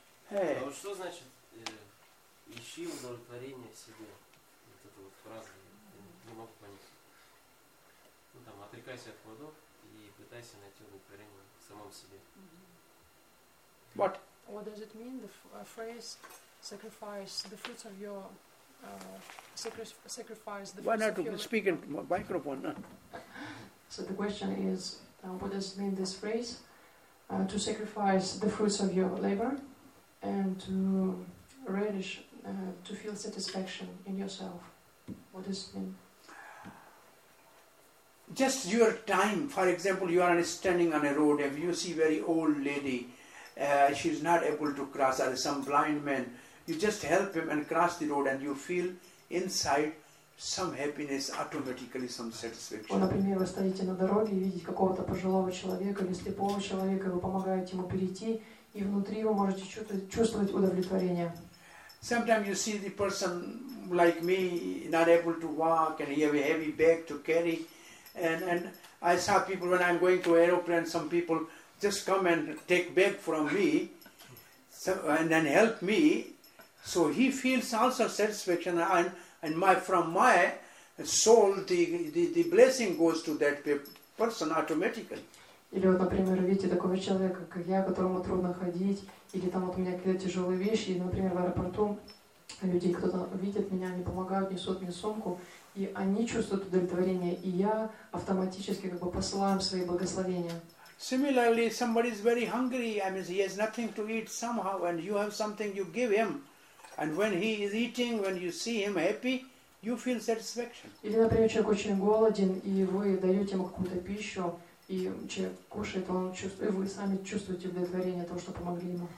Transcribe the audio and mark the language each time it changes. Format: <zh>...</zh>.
<ru>А вот что значит ищи удовлетворение в себе? Вот эта вот фраза, я не могу понять. Ну там, отрекайся от плодов и пытайся найти удовлетворение в самом себе.</ru> <en>What? What does it mean, the phrase sacrifice the fruits of your sacrifice the fruits of your... Why not speak in microphone? No? So the question is, what does it mean, this phrase? To sacrifice the fruits of your labor and to relish, to feel satisfaction in yourself. What does it mean? Just your time. For example, you are standing on a road and you see very old lady. She's not able to cross, or some blind man. You just help him and cross the road and you feel inside some happiness, automatically some satisfaction.</en> <ru>Well, например, вы стоите на дороге и видите какого-то пожилого человека или слепого человека, вы помогаете ему перейти, и внутри вы можете чувствовать удовлетворение.</ru> <en>Sometimes you see the person like me, not able to walk, and he have a heavy bag to carry. And I saw people when I'm going to aeroplane, some people just come and take bag from me, so, and then help me. So he feels also satisfaction and my from my soul the blessing goes to that person automatically.</en> <ru>Или вот, например, видите такого человека, как я, которому трудно ходить, или там вот у меня какие-то тяжелые вещи, и, например, в аэропорту люди, кто-то видит меня, они помогают, несут мне сумку, и они чувствуют удовлетворение, и я автоматически как бы посылаю им свои благословения.</ru> <en>Similarly, somebody is very hungry. I mean, he has nothing to eat somehow, and you have something, you give him. And when he is eating, when you see him happy, you feel satisfaction.</en> <ru>Или, например, человек очень голоден, и вы даете ему какую-то пищу, и человек кушает, он чувствует, и вы сами чувствуете удовлетворение того, что помогли ему.</ru>